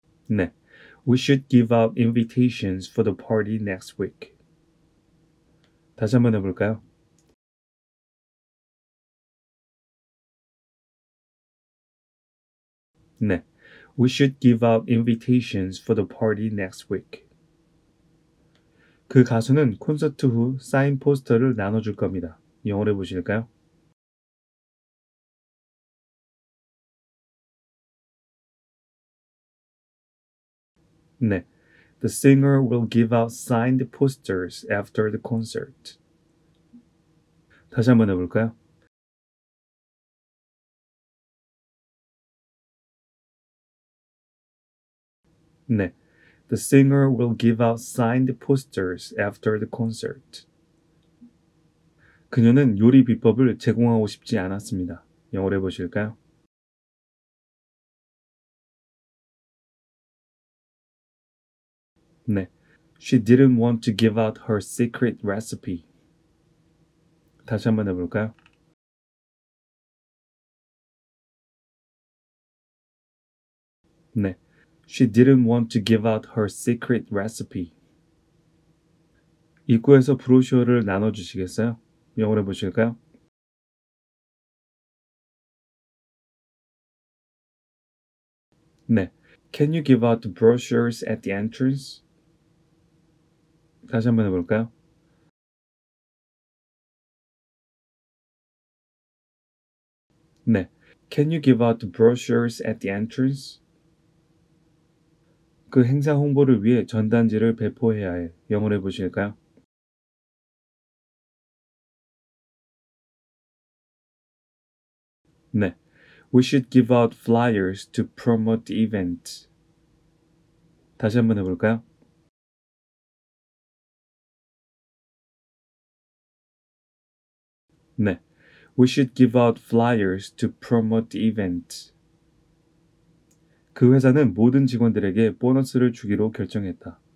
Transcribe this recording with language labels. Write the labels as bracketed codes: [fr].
[en] We should give out invitations for the party next week. [ko] 다시 한번 해볼까요? 네, [en] we should give out invitations for the party next week. [ko] 그 가수는 콘서트 후 사인 포스터를 나눠줄 겁니다. 영어로 해보실까요? [en] The singer will give out signed posters after the concert. [ko] 다시 한번 해볼까요? 네, [en] the singer will give out signed posters after the concert. [ko] 그녀는 요리 비법을 제공하고 싶지 않았습니다. 영어로 해보실까요? [en] She didn't want to give out her secret recipe. [ko] 다시 한번 해볼까요? 네, [en] she didn't want to give out her secret recipe. [ko] 입구에서 브로셔를 나눠주시겠어요? 영어로 해보실까요? [en] Can you give out the brochures at the entrance? [ko] 다시 한번 해볼까요? 네, [en] Can you give out the brochures at the entrance? [ko] 그 행사 홍보를 위해 전단지를 배포해야 해. 영어로 해보실까요? [en] We should give out flyers to promote the event. [ko] 다시 한번 해볼까요? 네, [en] we should give out flyers to promote the event. [ko] 그 회사는 모든 직원들에게 보너스를 주기로 결정했다.